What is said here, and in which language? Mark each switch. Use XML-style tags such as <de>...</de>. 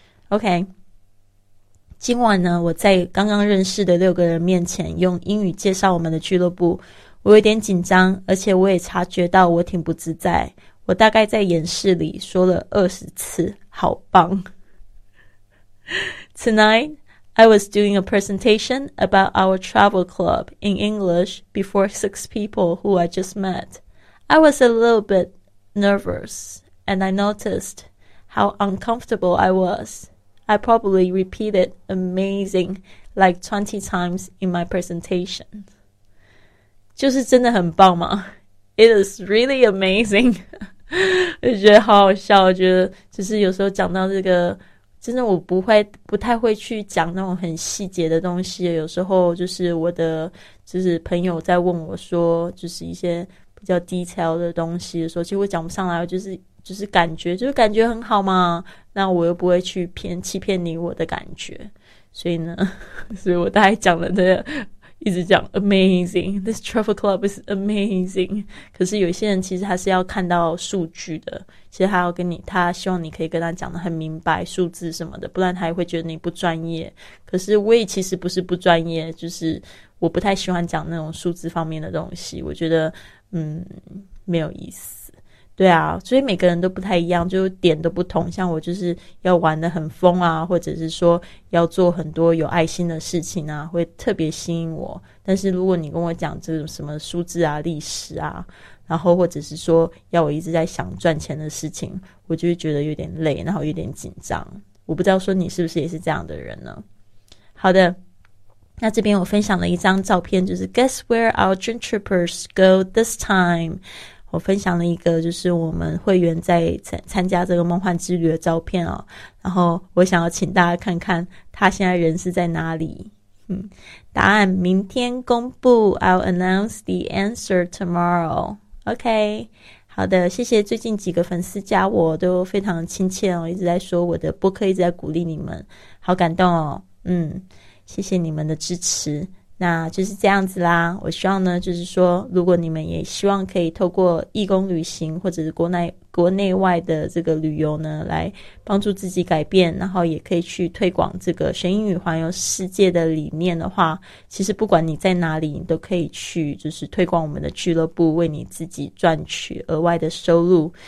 <zh>OK， 今晚呢我在刚刚认识的六个人面前用英语介绍我们的俱乐部，我有点紧张，而且我也察觉到我挺不自在，我大概在演示里说了20次好棒。</zh> <en>Tonight I was doing a presentation about our travel club in English before 6 people who I just met. I was a little bit nervous, and I noticed how uncomfortable I was. I probably repeated amazing like 20 times in my presentation.</en> <zh>就是真的很棒吗？</zh> <en>It is really amazing.</en> <zh>我觉得好好笑，我觉得就是有时候讲到这个真的我不太会去讲那种很细节的东西，有时候就是我的就是朋友在问我说就是一些比较 detail 的东西的时候，其实我讲不上来，就是感觉很好嘛，那我又不会去欺骗你我的感觉，所以呢所以我大概讲了这一直讲</zh> <en>amazing, this travel club is amazing.</en> <zh>可是有些人其实他是要看到数据的，其实他要跟你，他希望你可以跟他讲得很明白数字什么的，不然他也会觉得你不专业。可是我也其实不是不专业，就是我不太喜欢讲那种数字方面的东西，我觉得没有意思。对啊，所以每个人都不太一样，就点都不同，像我就是要玩得很疯啊，或者是说要做很多有爱心的事情啊，会特别吸引我。但是如果你跟我讲这种什么数字啊、历史啊，然后或者是说要我一直在想赚钱的事情，我就会觉得有点累，然后有点紧张。我不知道说你是不是也是这样的人呢？好的，那这边我分享了一张照片，就是</zh> <en>Guess where our dream trippers go this time?</en> <zh>我分享了一个就是我们会员在参加这个梦幻之旅的照片哦，然后我想要请大家看看他现在人是在哪里。答案明天公布，</zh> <en>I'll announce the answer tomorrow.</en> <zh>OK, 好的，谢谢最近几个粉丝加我都非常亲切哦，一直在说我的播客，一直在鼓励你们，好感动哦。谢谢你们的支持。那就是这样子啦，我希望呢就是说如果你们也希望可以透过义工旅行或者是国内外的这个旅游呢来帮助自己改变，然后也可以去推广这个学英语环游世界的理念的话，其实不管你在哪里你都可以去就是推广我们的俱乐部，为你自己赚取额外的收入。</zh>